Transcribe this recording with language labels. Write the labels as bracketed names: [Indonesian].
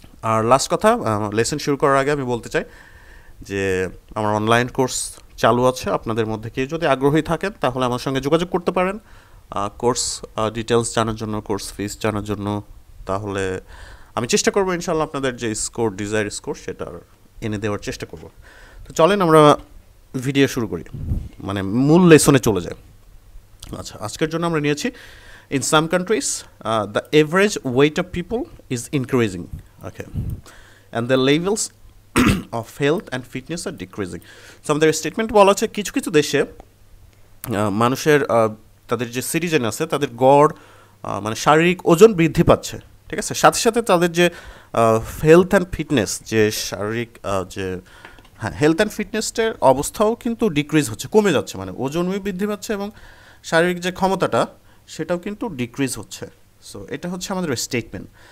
[Bangla] আর last কথা, lesson শুরু করার আগে আমি বলতে চাই যে আমার অনলাইন কোর্স চালু আছে, আপনাদের মধ্যে কেউ যদি আগ্রহী থাকেন তাহলে আমার সঙ্গে যোগাযোগ করতে পারেন, কোর্স ডিটেলস জানার জন্য, কোর্স ফিস জানার জন্য। তাহলে আমি চেষ্টা করবো ইনশাআল্লাহ আপনাদের যে স্কোর, ডিজায়ার স্কোর সেটা এনে দেওয়ার চেষ্টা করব। তো চলেন আমরা ভিডিও শুরু করি, মানে মূল লেসনে চলে যাই। আচ্ছা, আজকের জন্য আমরা নিয়েছি [English] In some countries, the average weight of people is increasing. Okay. And the levels of health and fitness are decreasing. So their statement [Bangla] বলা আছে কিছু কিছু দেশে মানুষের তাদের যে সিটিজেন আছে তাদের গড় মানে শারীরিক ওজন বৃদ্ধি পাচ্ছে ঠিক আছে সাথে সাথে তাদের যে হেলথ এন্ড ফিটনেস যে শারীরিক যে হ্যাঁ হেলথ এন্ড ফিটনেসের অবস্থাও কিন্তু ডিক্রিজ হচ্ছে কমে যাচ্ছে মানে ওজনও বৃদ্ধি পাচ্ছে এবং শারীরিক যে ক্ষমতাটা সেটাও কিন্তু ডিক্রিজ হচ্ছে সো এটা হচ্ছে আমাদের স্টেটমেন্ট